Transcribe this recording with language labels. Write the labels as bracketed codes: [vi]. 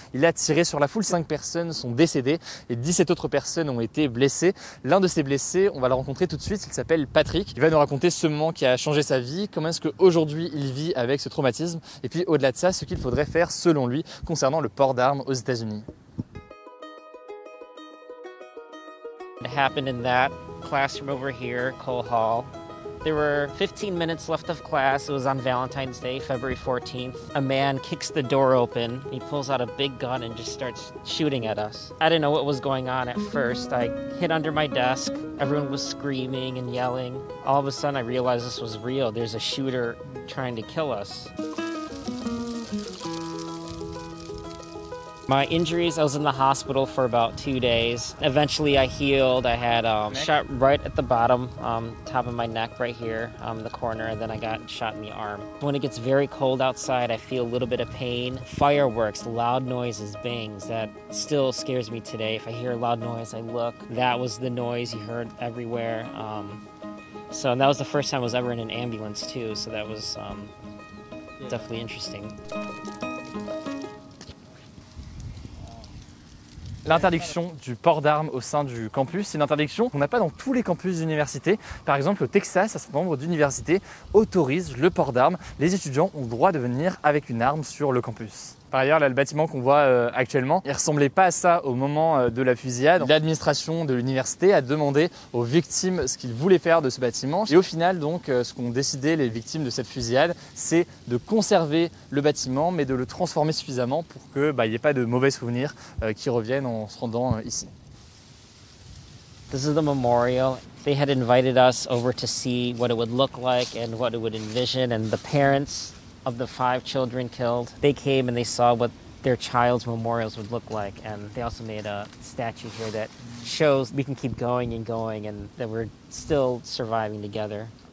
[fr] Il a tiré sur la foule, 5 personnes sont décédées et 17 autres personnes ont été blessées. L'un de ces blessés, on va le rencontrer tout de suite, il s'appelle Patrick. Il va nous raconter ce moment qui a changé sa vie, comment est-ce qu'aujourd'hui il vit avec ce traumatisme, et puis au-delà de ça, ce qu'il faudrait faire selon lui concernant le port d'armes aux États-Unis. [en] Happened in that classroom over here, Cole Hall. There were 15 minutes left of class. It was on Valentine's Day, February 14th. A man kicks the door open. He pulls out a big gun and just starts shooting at us. I didn't know what was going on at first. I hid under my desk. Everyone was screaming and yelling. All of a sudden, I realized this was real. There's a shooter trying to kill us. My injuries, I was in the hospital for about 2 days. Eventually I healed. I had shot right at the bottom, top of my neck right here, the corner, and then I got shot in the arm. When it gets very cold outside, I feel a little bit of pain. Fireworks, loud noises, bangs, that still scares me today. If I hear a loud noise, I look. That was the noise you heard everywhere. So and that was the first time I was ever in an ambulance too, so that was definitely interesting. [fr] L'interdiction du port d'armes au sein du campus, c'est une interdiction qu'on n'a pas dans tous les campus d'université. Par exemple, au Texas, un certain nombre d'universités autorisent le port d'armes. Les étudiants ont le droit de venir avec une arme sur le campus. Par ailleurs, là, le bâtiment qu'on voit actuellement, il ressemblait pas à ça au moment de la fusillade. L'administration de l'université a demandé aux victimes ce qu'ils voulaient faire de ce bâtiment. Et au final, donc, ce qu'ont décidé les victimes de cette fusillade, c'est de conserver le bâtiment, mais de le transformer suffisamment pour que bah, il n'y ait pas de mauvais souvenirs qui reviennent en se rendant ici. [en] This is the memorial. They had invited us over to see what it would look like and what it would envision, and the parents of the five children killed. They came and they saw what their child's memorials would look like, and they also made a statue here that shows we can keep going and going and that we're still surviving together.